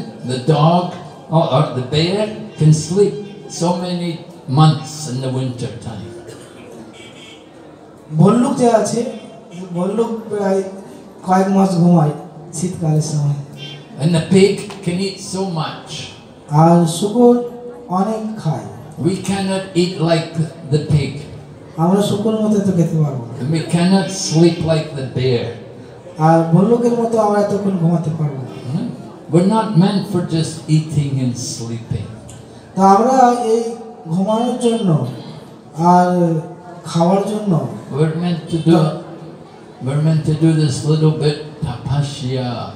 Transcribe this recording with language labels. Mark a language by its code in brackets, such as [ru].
[en] The dog or the bear can sleep so many months in the winter time. [bn] ভল্লুক যে আছে ভল্লুক প্রায় কয়েক মাস ঘুমায় শীতকালের সময় [en] and the pig can eat so much [bn] আর শূকর অনেক খায় [en] we cannot eat like the pig [bn] আমরা শূকরের মতো তো খেতে পারব না [en] we cannot sleep like the bear [bn] আর ভল্লুকের মতো আমরা এতক্ষণ ঘুমাতে পারব না [en] we're not meant for just eating and sleeping [bn] তা আমরা এই ঘুমানোর জন্য আর খাওয়ার জন্য [en] we're meant to do We're meant to do this little bit tapasya.